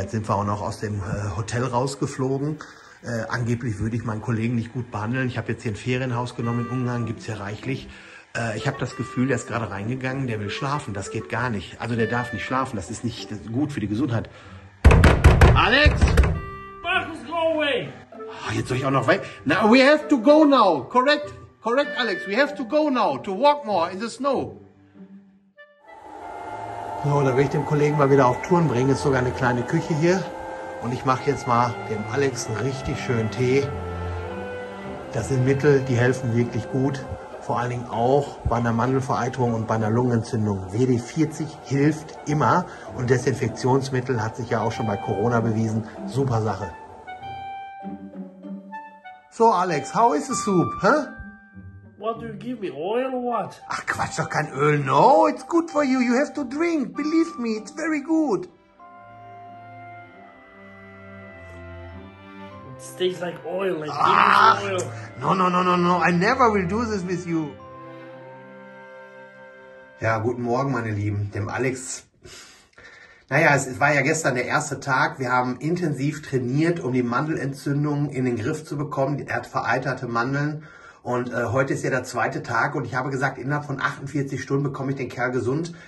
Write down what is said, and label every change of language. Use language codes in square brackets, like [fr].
[de] Jetzt sind wir auch noch aus dem Hotel rausgeflogen. Angeblich würde ich meinen Kollegen nicht gut behandeln. Ich habe jetzt hier ein Ferienhaus genommen. In Ungarn gibt es ja reichlich. Ich habe das Gefühl, der ist gerade reingegangen, der will schlafen, das geht gar nicht. Also der darf nicht schlafen, das ist nicht gut für die Gesundheit. Alex! [en] Markus, go away! [de] Oh, jetzt soll ich auch noch weg? [en] Now we have to go now, correct Alex, we have to go now, to walk more in the snow. [de] So, da will ich dem Kollegen mal wieder auf Touren bringen, ist sogar eine kleine Küche hier. Und ich mache jetzt mal dem Alex einen richtig schönen Tee. Das sind Mittel, die helfen wirklich gut. Vor allen Dingen auch bei einer Mandelvereiterung und bei einer Lungenentzündung. WD-40 hilft immer und Desinfektionsmittel hat sich ja auch schon bei Corona bewiesen. Super Sache. [en] So Alex, how is the soup? Huh? What do you give me, oil or what? [de] Ach Quatsch, doch kein Öl. [en] No, it's good for you. You have to drink. Believe me, it's very good. It tastes like oil. No. I never will do this with you. [de] Ja, guten Morgen, meine Lieben. Dem Alex. Naja, es war ja gestern der erste Tag. Wir haben intensiv trainiert, um die Mandelentzündung in den Griff zu bekommen. Er hat vereiterte Mandeln. Und heute ist ja der zweite Tag und ich habe gesagt, innerhalb von 48 Stunden bekomme ich den Kerl gesund.